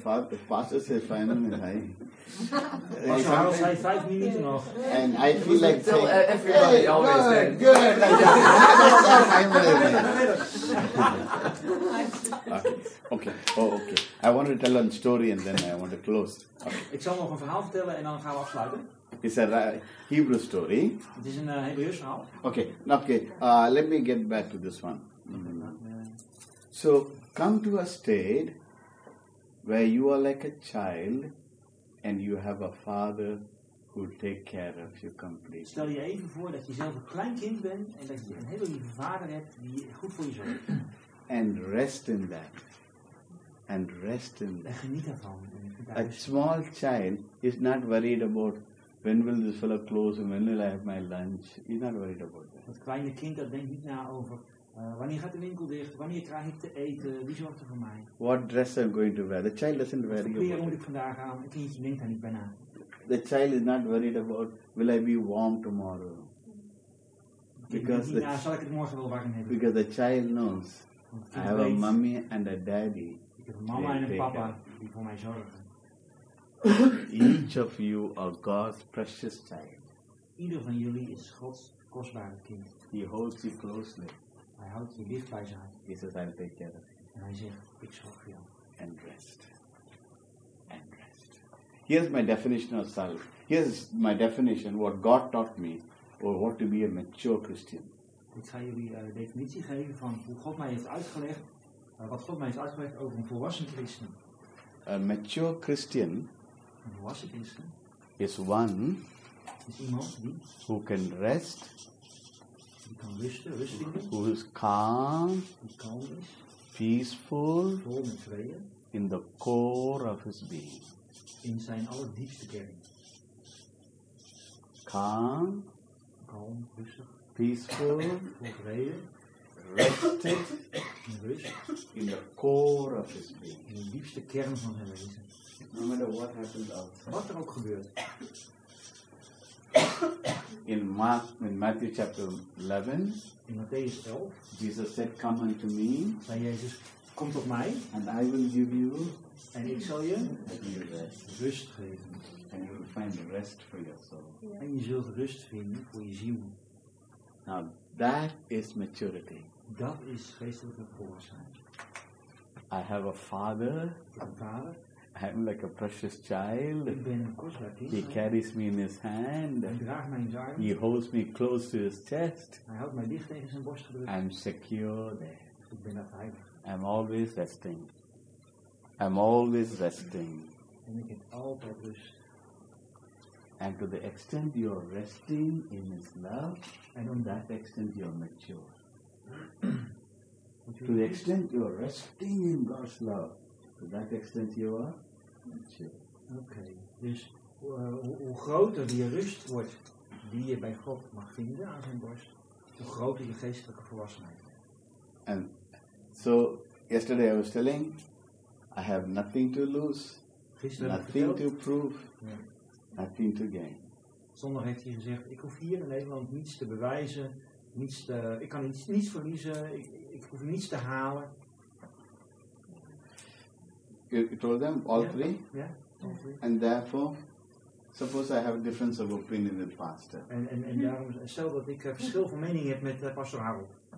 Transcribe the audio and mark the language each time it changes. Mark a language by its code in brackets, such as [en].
[en] The pastor says 5 minutes. [nl] Hij 5 minuten nog. [en] And I feel like saying, everybody hey, always good, saying, good. Like, 5 minutes. Okay. Oh, okay. I want to tell a story and then I want to close. [nl] Ik zal nog een verhaal vertellen en dan gaan we afsluiten. [en] It's a Hebrew story. [nl] Het is een Hebreeuws verhaal. [en] Okay. Let me get back to this one. So come to a state where you are like a child and you have a father who will take care of you completely. [nl] Stel je even voor dat je zelf een klein kind bent en dat je een hele lieve vader hebt die goed voor je zorgt. [en] And rest in that. And rest in that. [nl] En geniet ervan. [en] A small child is not worried about when will this fellow close and when will I have my lunch. He's not worried about that. [nl] Het kleine kind dat denkt niet na over wanneer gaat de winkel dicht? Wanneer krijg ik te eten? Wie zorgt er voor mij? [en] What dress am I going to wear? The child doesn't worry about it. [nl] Wat moet ik vandaag aan? Het kindje denkt daar niet bij na. [en] The child is not worried about will I be warm tomorrow? [nl] Because zal ik het morgen wel warm hebben? [en] Because the child knows I have a mommy and a daddy. [nl] Ik heb een mama en een papa die voor mij zorgen. [en] Each of you are God's precious child. [nl] Ieder van jullie is Gods kostbare kind. [en] He holds you closely. [nl] Hij houdt je dicht bij zijn. [en] He says, I'll take care of you. [nl] En hij zegt, ik zorg voor jou. [en] And rest. And rest. Here's my definition of self. Here's my definition, what God taught me, or what to be a mature Christian. [nl] Ik ga jullie een definitie geven van hoe God mij heeft uitgelegd, wat God mij heeft uitgelegd over een volwassen christen. [en] A mature Christian, [nl] een volwassen christen, [en] is one, [nl] is iemand die, [en] who can rest, [nl] rusten, [en] who is calm, [nl] calm is, [en] peaceful, [nl] vol met vrede, [en] in the core of his being. [nl] In zijn allerdiepste kern. [en] Calm, [nl] calm, rustig, [en] peaceful, [nl] vol vrede, [en] rested, [nl] in rust, [en] in the core of his being. [nl] In de diepste kern van zijn wezen. [en] No matter what happens outside. [nl] Wat er ook gebeurt. [en] In Matthew chapter 11, [nl] in Matthäus 11, [en] Jesus said, "Come unto me." [nl] Zei Jezus, kom tot mij. [en] And I will give you. [nl] En ik zal je rust geven. [en] And you will find rest for your soul. Yeah. [nl] En je zult rust vinden voor je ziel. [en] Now that is maturity. [nl] Dat is geestelijke volwassenheid. [en] I have a father. [nl] A vader. [en] I'm like a precious child. [nl] Ik ben een kostbaar kind. [en] He carries me in his hand. [nl] Hij draagt mij in zijn arm. [en] He holds me close to his chest. [nl] Hij houdt mij dicht tegen zijn borst gedrukt. [en] I'm secure there. [nl] Ik ben daar veilig. [en] I'm always resting. I'm always resting. [nl] En ik heb altijd rust. [en] And to the extent you're resting in his love, and on that extent you're mature. To the extent you're resting in God's love, to that extent you are mature. Okay. [nl] Dus hoe groter die rust wordt die je bij God mag vinden aan zijn borst, hoe groter je geestelijke volwassenheid. [en] And so yesterday I was telling, I have nothing to lose, [nl] gisteren [en] nothing to prove, yeah, nothing to gain. [nl] Zondag heeft hij gezegd, ik hoef hier in Nederland niets te bewijzen, ik kan niets verliezen, ik hoef niets te halen. [en] You told them, all three? Yeah, all three. And therefore, suppose I have a difference of opinion with pastor. [nl] En daarom, stel dat ik verschil van mening heb met pastor Harold.